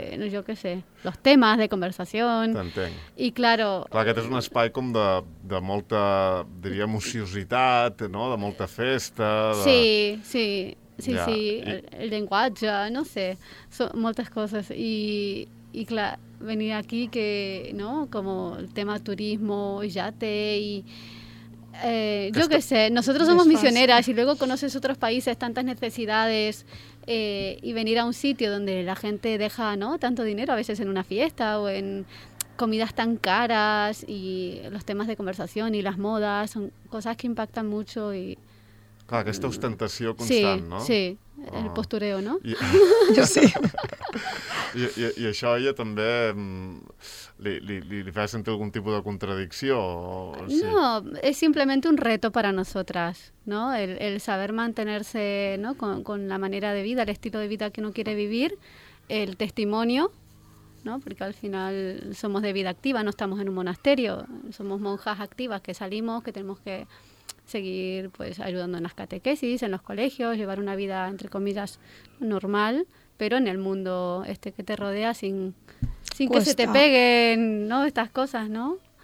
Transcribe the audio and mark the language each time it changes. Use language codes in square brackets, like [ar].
[es] Yo qué sé, los temas de conversación. [ca] T'entenc. [es] Y claro... [ca] Clar, aquest és un espai com de molta, diríem, ociositat, no? De molta festa. De... Sí. El llenguatge, no sé, son moltes coses. [es] Y clar, venir aquí, que, no? Como el tema turismo, yate y... yo qué sé, nosotros somos misioneras y luego conoces otros países, tantas necesidades... y venir a un sitio donde la gente deja, ¿no?, tanto dinero a veces en una fiesta o en comidas tan caras y los temas de conversación y las modas son cosas que impactan mucho y... Claro, que esta ostentación constant, sí, ¿no? Sí, el postureo, ¿no? Yo sí. [ca] I això ella també li feia sentir algun tipus de contradicció? O sí? [es] No, es simplemente un reto para nosotras, ¿no? El saber mantenerse, ¿no?, con la manera de vida, el estilo de vida que uno quiere vivir, el testimonio, ¿no? Porque al final somos de vida activa, no estamos en un monasterio, somos monjas activas que salimos, que tenemos que seguir pues ayudando en las catequesis, en los colegios, llevar una vida, entre comillas, normal, pero en el mundo este que te rodea sin que se te peguen, ¿no?, estas cosas, ¿no?